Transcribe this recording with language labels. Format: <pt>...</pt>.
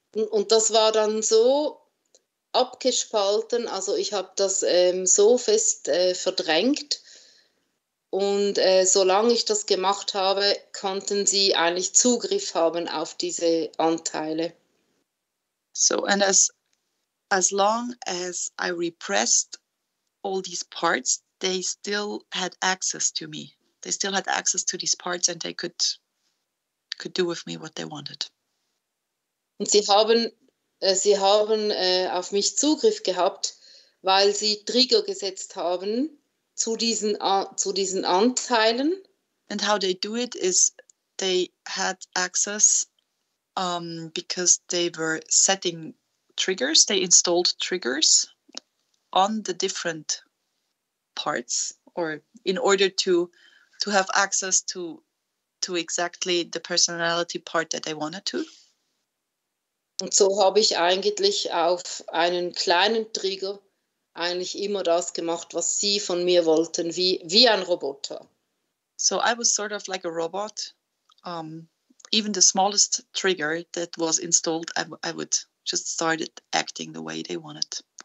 <de>Und das war dann so abgespalten, also ich habe das so fest verdrängt. Und solange ich das gemacht habe, konnten sie eigentlich Zugriff haben auf diese Anteile.</de> <en>So, and as as long as I repressed all these parts, they still had access to me. They still had access to these parts and they could do with me what they wanted.</en> <de>Und sie haben auf mich Zugriff gehabt, weil sie Trigger gesetzt haben zu diesen Anteilen.</de> <en>And how they do it is they had access because they were setting triggers, they installed triggers on the different parts or in order to have access to exactly the personality part that they wanted to.</en> <de>Und so habe ich eigentlich auf einen kleinen Trigger eigentlich immer das gemacht, was sie von mir wollten, wie ein Roboter.</de> <en>So I was sort of like a robot. Even the smallest trigger that was installed, I would just start acting the way they wanted.</en>